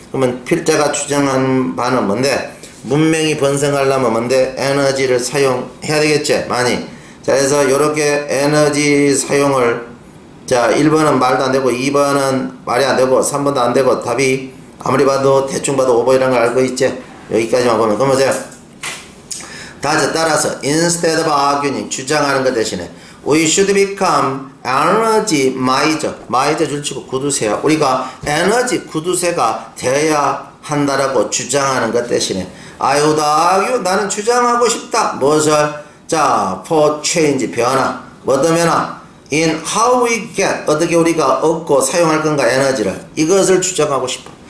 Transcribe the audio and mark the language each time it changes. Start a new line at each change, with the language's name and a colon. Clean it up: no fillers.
Korean: 그러면 필자가 주장한 바는 뭔데? 문명이 번성하려면 뭔데? 에너지를 사용해야 되겠지? 많이. 자 그래서 이렇게 에너지 사용을 자 1번은 말도 안 되고 2번은 말이 안 되고 3번도 안 되고 답이 아무리 봐도 대충 봐도 오버이란 걸 알고 있지. 여기까지만 보면 그럼 보세요. 다시 따라서
English: instead of arguing
Korean: 주장하는 것 대신에
English: we should become energy miser.
Korean: miser 줄치고 구두쇠야. 우리가 에너지 구두쇠가 돼야 한다라고 주장하는 것 대신에
English: I would argue
Korean: 나는 주장하고 싶다. 무엇을? 자, for change 변화. 어떤 변화?
English: in how we get
Korean: 어떻게 우리가 얻고 사용할 건가 에너지를 이것을 주장하고 싶어.